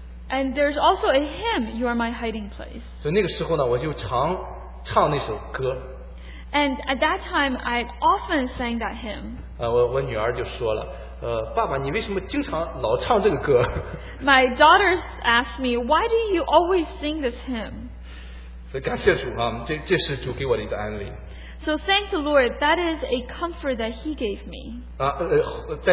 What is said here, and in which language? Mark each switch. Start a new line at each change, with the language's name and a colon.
English: And there's also a hymn You are my hiding place.
Chinese: 所以那个时候呢，我就常唱那首歌。
English: And at that time, I often sang that hymn.
Chinese: 我女儿就说了。爸爸，你为什么经常老唱这个歌？
English: My daughters asked me, why do you always sing this hymn?
Chinese: 感谢主啊，这是主给我的一个安慰。
English: So thank the Lord, that is a comfort that He gave me.